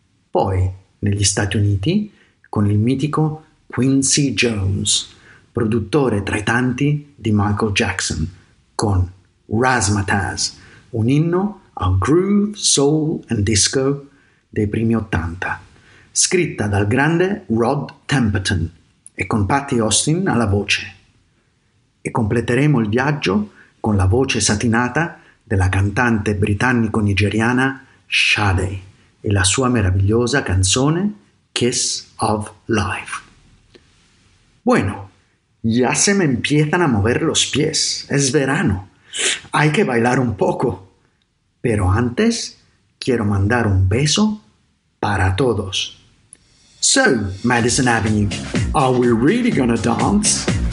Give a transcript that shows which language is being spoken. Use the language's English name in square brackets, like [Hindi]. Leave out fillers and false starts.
[Italian] Poi negli Stati Uniti con il mitico Quincy Jones, produttore tra i tanti di Michael Jackson, con Razzmatazz, un inno al groove, soul and disco dei primi 80, scritta dal grande Rod Temperton e con Patty Austin alla voce. E completeremo il viaggio con la voce satinata della cantante britannico-nigeriana Sade e la sua meravigliosa canzone Kiss of Life. [Spanish] Bueno, ya se me empiezan a mover los pies, es verano, hay que bailar un poco. Pero antes, quiero mandar un beso para todos. [English] So, Madison Avenue, are we really gonna dance?